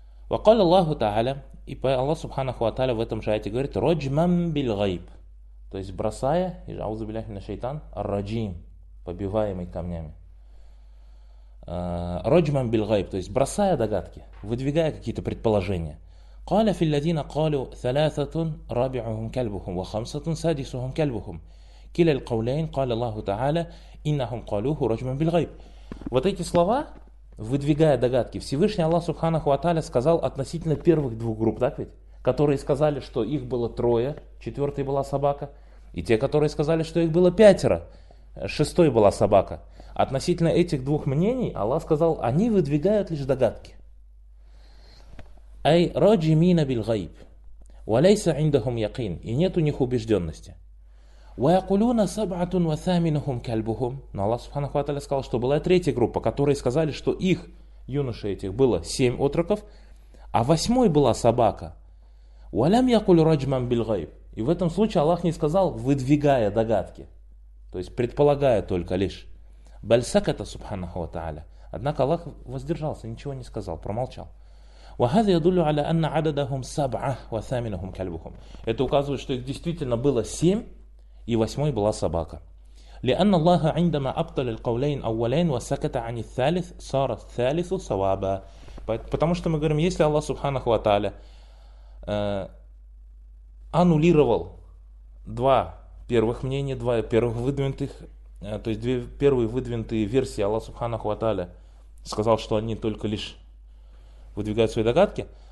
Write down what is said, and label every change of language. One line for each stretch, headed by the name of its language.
Arabic: Вакал Аллаху тааля,
Russian: и Аллах Субханаху ва тааля в этом же аяте говорит:
Arabic: «Роджбан биль гайб».
Russian: То есть бросая, и
Arabic: аузу биляхи на шайтан, раджим,
Russian: побиваемый камнями.
Arabic: Роджбан биль гайб,
Russian: то есть бросая догадки, выдвигая какие-то предположения.
Arabic: قال في الذين قالوا ثلاثة رابعهم كلبهم وخمسة سادسهم كلبهم كلا القولين قال الله تعالى إنهم قالوه رجما بالغيب.
Russian: Вот эти слова, выдвигая догадки, Всевышний Аллах Субханаху ва Тааля сказал относительно первых двух групп, так ведь? Которые сказали, что их было трое, четвертой была собака. И те, которые сказали, что их было пятеро, шестой была собака. Относительно этих двух мнений Аллах сказал, они выдвигают лишь догадки.
Arabic: Ай раджимина биль гайб. Ва лейса индахум якин.
Russian: И нет у них убежденности.
Arabic: Ва якулуна саб'атун ва саминухум кальбухум.
Russian: Но Аллах Субханаху ва Тааля сказал, что была третья группа, которые сказали, что их, юноши этих, было семь отроков, а восьмой была собака.
Arabic: Ва лям якул раджман биль гайб.
Russian: И в этом случае Аллах не сказал, выдвигая догадки. То есть предполагая только лишь.
Arabic: Баль саката
Russian: Субханаху ва Тааля. Однако Аллах воздержался, ничего не сказал, промолчал.
Arabic: وهذا يدل على أن عددهم سبعة وثامنهم كلبهم.
Russian: Это указывает, что их действительно было семь, и восьмой была собака.
Arabic: لأن الله عندما أبطل القولين أولين وسكت عن الثالث صار الثالث صوابا.
Russian: Потому что мы говорим, если Аллах Субханаху ва Тааля аннулировал два первых мнения, два первых выдвинутых, то есть две первые выдвинутые версии Аллах Субханаху ва Тааля сказал, что они только лишь выдвигают свои догадки.